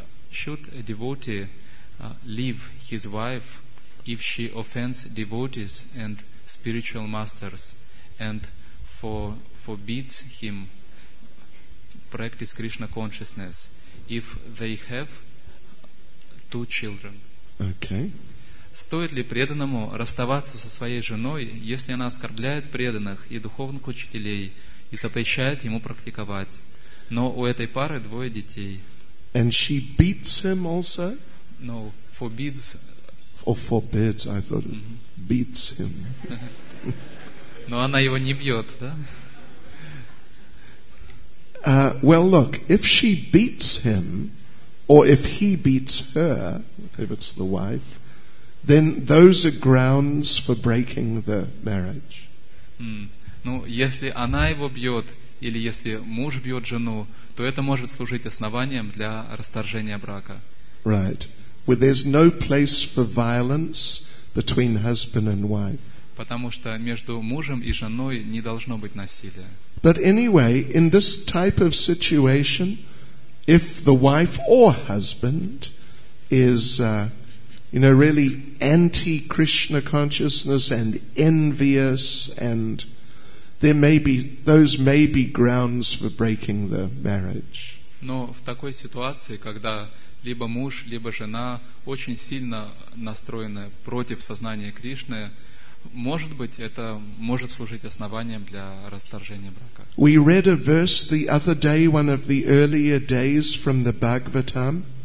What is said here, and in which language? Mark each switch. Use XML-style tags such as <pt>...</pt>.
<en>Should a devotee leave his wife if she offends devotees and spiritual masters and forbids him practice Krishna consciousness if they have two children? Okay.</en> <ru>Стоит ли преданному расставаться со своей женой, если она оскорбляет преданных и духовных учителей и запрещает ему практиковать? Но у этой пары двое детей.</ru> <en>And she beats him also? No, forbids. Or forbids, I thought. Beats him.</en> <ru>Но она его не бьет, да?</ru> <en>Well, look, if she beats him, or if he beats her, if it's the wife, then those are grounds for breaking the marriage.</en> <ru>Ну, если она его бьет, или если муж бьет жену, то это может служить основанием для расторжения брака.</ru> <en>Right. Where there's no place for violence between husband and wife.</en> <ru>Потому что между мужем и женой не должно быть насилия.</ru> <en>But anyway, in this type of situation, if the wife or husband is, really anti-Krishna consciousness and envious and those may be grounds for breaking the marriage.</en> <ru>Но в такой ситуации, когда либо муж, либо жена очень сильно настроены против сознания Кришны, может быть, это может служить основанием для расторжения брака.</ru> <en>We read a verse the other day, one of the earlier days from the Bhagavatam.</en>